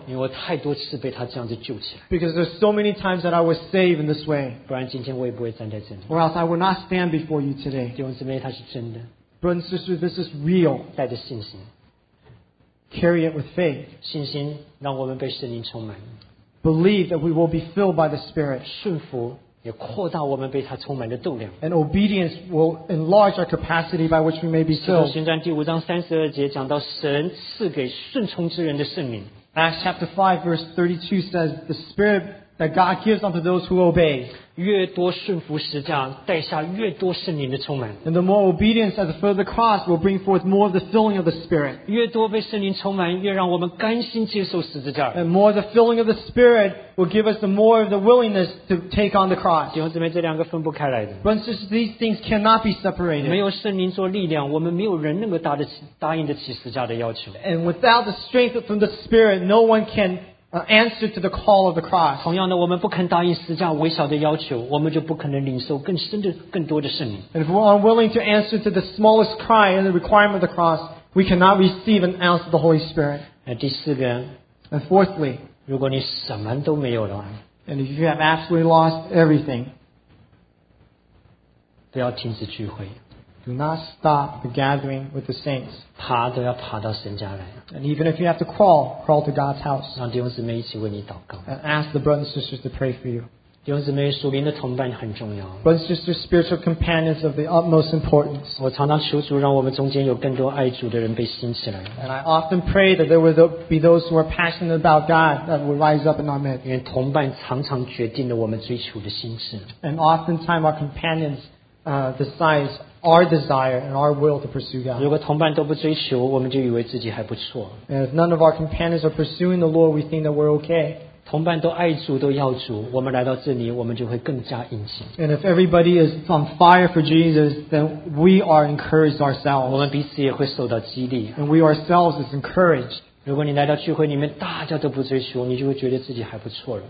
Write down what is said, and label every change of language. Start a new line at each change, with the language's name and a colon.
Chinese: 因为我太多次被他这样子救起来。
English: Because there's so many times that I was saved in this way.
Chinese: 不然今天我也不会站在这里。
English: Or else I will not stand before you today.
Chinese: 弟兄姊妹，他是真的。
English: Brothers and sisters, this is real.
Chinese: 带着信心。
English: Carry it with faith.
Chinese: 信心让我们被圣灵充满。
English: Believe that we will be filled by the Spirit.
Chinese: 顺服也扩大我们被他充满的度量。
English: And obedience will enlarge our capacity by which we may be filled.
Chinese: 使徒行传第五章三十二节讲到神赐给顺从之人的圣灵。
English: Acts chapter 5 verse 32 says the Spirit that God gives unto those who obey.
Chinese: 越多顺服十架，带下越多圣灵的充满。
English: And the more obedience at the foot of the cross will bring forth more of the filling of the Spirit.
Chinese: 越多被圣灵充满，越让我们甘心接受十字架。
English: And more the filling of the Spirit will give us the more of the willingness to take on the cross.
Chinese: 弟兄姊妹，这两个分不开来的。
English: But since these things cannot be separated.
Chinese: 没有圣灵做力量，我们没有人能够答应得起十字架的要求。
English: And without the strength from the Spirit, no one can. Answer to the call of the cross.
Chinese: 同样的，我们不肯答应十字架微小的要求，我们就不可能领受更深的、更多的圣灵。
English: And if we're unwilling to answer to the smallest cry and the requirement of the cross, we cannot receive an ounce of the Holy Spirit.
Chinese: 第四个。
English: And fourthly,
Chinese: 如果你什么都没有的话。
English: And if you have absolutely lost everything,
Chinese: 不要停止聚会。
English: Do not stop the gathering with the saints.
Chinese: 爬都要爬到神家来。
English: And even if you have to crawl to God's house.
Chinese: 让弟兄姊妹一起为你祷告。
English: And ask the brothers and sisters to pray for you.
Chinese: 弟兄姊妹，属灵的同伴很重要。
English: Brothers and sisters, spiritual companions of the utmost importance.
Chinese: 我常常求主让我们中间有更多爱主的人被兴起来。
English: And I often pray that there will be those who are passionate about God that will rise up in our midst.
Chinese: 因为同伴常常决定了我们追求的心智。
English: And oftentimes our companions, the size. Our desire and our will to pursue God.
Chinese: 如果同伴都不追求，我们就以为自己还不错。
English: And if none of our companions are pursuing the Lord, we think that we're okay.
Chinese: 同伴都爱主，都要主，我们来到这里，我们就会更加殷勤。
English: And if everybody is on fire for Jesus, then we are encouraged ourselves.
Chinese: 我们彼此也会受到激励。
English: And we ourselves is encouraged.
Chinese: 如果你来到聚会里面，大家都不追求，你就会觉得自己还不错了。